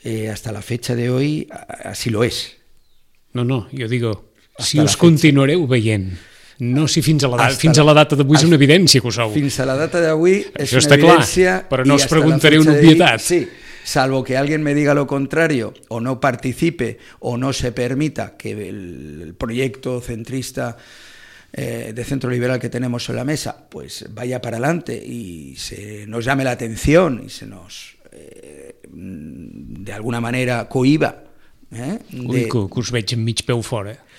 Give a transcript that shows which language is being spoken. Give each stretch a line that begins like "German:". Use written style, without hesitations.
Spanish: Hasta la fecha de hoy así lo es. No, no, yo digo, hasta si
Catalan: us continuareu veient. No, si fins a la data, fins a la data d'avui és una evidència que ho sou. Fins a la data d'avui és una evidència. Però no us preguntaré una obvietat.
Spanish: Sí, salvo que alguien me diga lo contrario o no participe o no se permita que el proyecto centrista de centro liberal que tenemos en la mesa pues vaya para adelante y se nos llame la atención y se nos de alguna manera cohiba.
Catalan: Que us veig amb mig peu fora.